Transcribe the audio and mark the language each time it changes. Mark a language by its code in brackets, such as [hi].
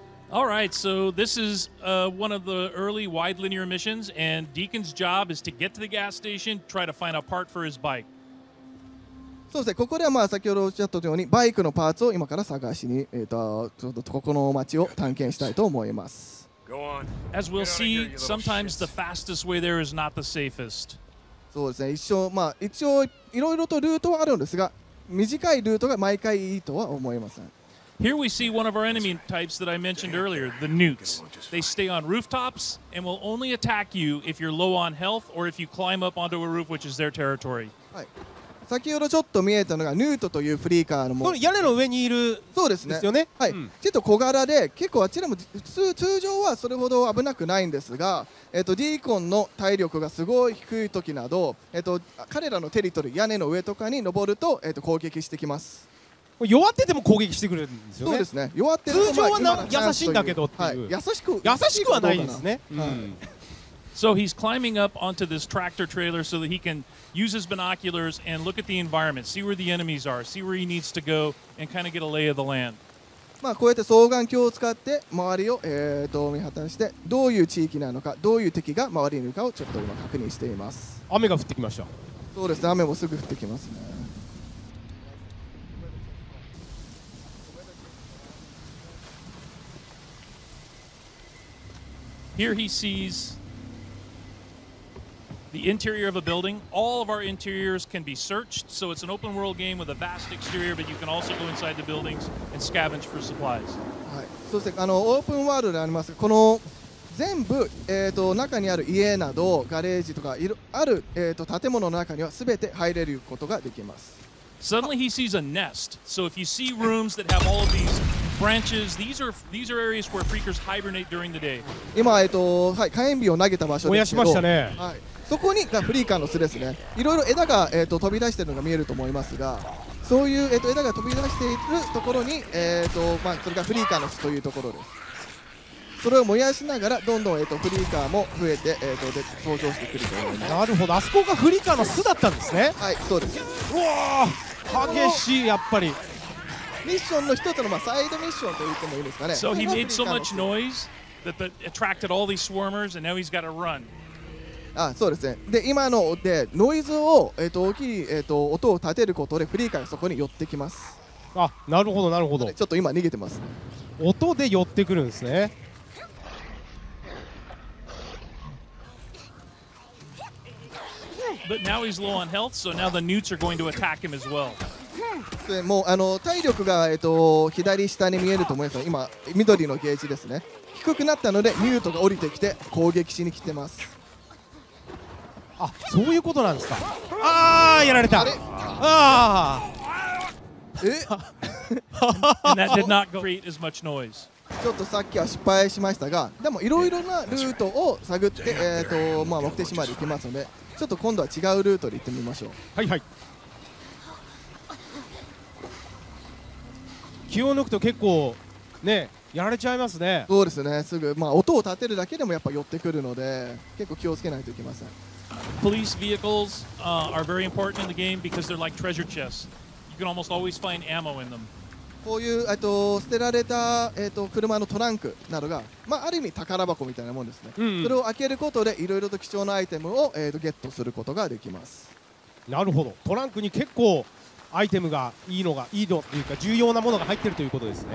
[en] All right, so this is one of the early wide linear missions, and Deacon's job is to get to the gas station, try to find a part for his bike. [ja] そうですね、ここではまあ先ほどおっしゃったようにバイクのパーツを今から探しに、ちょっとここの街を探検したいと思います。 [en] Go on. As we'll see, sometimes the fastest way there is not the safest. [ja] そうですね、一応いろいろとルートはあるんですが、短いルートが毎回いいとは思いません。 [en] Here we see one of our enemy types that I mentioned earlier, the newts. They stay on rooftops and will only attack you if you're low on health or if you climb up onto a roof, which is their territory. [ja] はい。先ほどちょっと見えたのがヌートというフリーカーのも。この屋根の上にいる。そうですね。ですよね。はい。ちょっと小柄で、結構あちらも通常はそれほど危なくないんですが、ディーコンの体力がすごい低い時など、彼らのテリトリー、屋根の上とかに登ると、攻撃してきます。弱ってても攻撃してくれるんですよね。そうですね。弱ってる通常は優しいんだけどっていう、はい、優しくはないですね。 [en] So he's climbing up onto this tractor trailer so that he can use his binoculars and look at the environment, see where the enemies are, see where he needs to go and kind of get a lay of the land. [ja] まあこうやって双眼鏡を使って周りを見果たしてどういう地域なのかどういう敵が周りにいるかをちょっと今確認しています。雨が降ってきました。そうですね。雨もすぐ降ってきますね。 [en] Here he sees the interior of a building. All of our interiors can be searched, so it's an open world game with a vast exterior, but you can also go inside the buildings and scavenge for supplies. [ja] はい、そしてオープンワールドであります。この全部、中にある家などガレージとかある、建物の中には全て入れることができます。 [en] Suddenly he sees a nest. So if you see rooms that have all of these branches, these are areas where freakers hibernate during the day. [ja] 今はい、火炎瓶を投げた場所ですけど。燃やしましたね。はい。そこにフリーカーの巣ですね。いろいろ枝が飛び出しているのが見えると思いますが、そういう枝が飛び出しているところにまあそれがフリーカーの巣というところです。それを燃やしながらどんどんフリーカーも増えて登場してくると思います。なるほど、あそこがフリーカーの巣だったんですね。はい、そうです。うわー、激しい。やっぱりミッションの一つの、まあ、サイドミッションと言ってもいいですかね。 [en] So he made so much noise that attracted all these swarmers and now he's got to run. [ja] あ、そうですね。で、今のでノイズを大きい音を立てることでフリーカーがそこに寄ってきます。あ、なるほどなるほど。ちょっと今逃げてます。音で寄ってくるんですね。 [en] But now he's low on health, so now the newts are going to attack him as well. [ja] もう体力が左下に見えると思います。今緑のゲージですね。低くなったのでニュートが降りてきて攻撃しに来てます。あ、そういうことなんですか。ああ、やられた。ああ。え？ [en] And that did not create as much noise. [ja] ちょっとさっきは失敗しましたが、でもいろいろなルートを探って、まあ、目的地まで行きますので、ちょっと今度は違うルートで行ってみましょう。はいはい。気を抜くと結構、ね、やられちゃいますね。そうですね、すぐ、まあ、音を立てるだけでもやっぱ寄ってくるので、結構気をつけないといけません。 [en] Police vehicles are very important in the game because they're like treasure chests. You can almost always find ammo in them. [ja] こういう捨てられた車のトランクなどが、まあ、ある意味宝箱みたいなもんですね。うんうん、それを開けることでいろいろと貴重なアイテムを、ゲットすることができます。なるほど。トランクに結構アイテムがいいのというか重要なものが入ってるということですね。